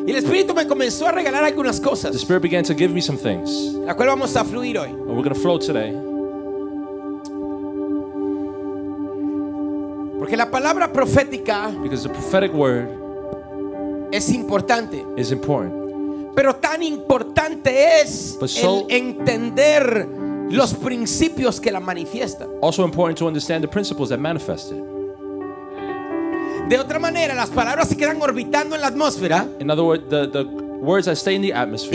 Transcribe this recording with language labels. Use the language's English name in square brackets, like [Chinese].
[Spanish] Y el Espíritu me comenzó a regalar algunas cosas. [English] The Spirit began to give me some things. [Spanish] La cual vamos a fluir hoy. [English] And we're going to flow today. [Spanish] Porque la palabra profética, [English] because the prophetic word, [Spanish] es importante. [English] Is important. [Spanish] Pero tan importante es [English] so, [Spanish] el entender los principios que la manifiestan. [English] Also important to understand the principles that manifest it. [Spanish] De otra manera, las palabras se quedan orbitando en la atmósfera. [English] In other words, the words that stay in the atmosphere.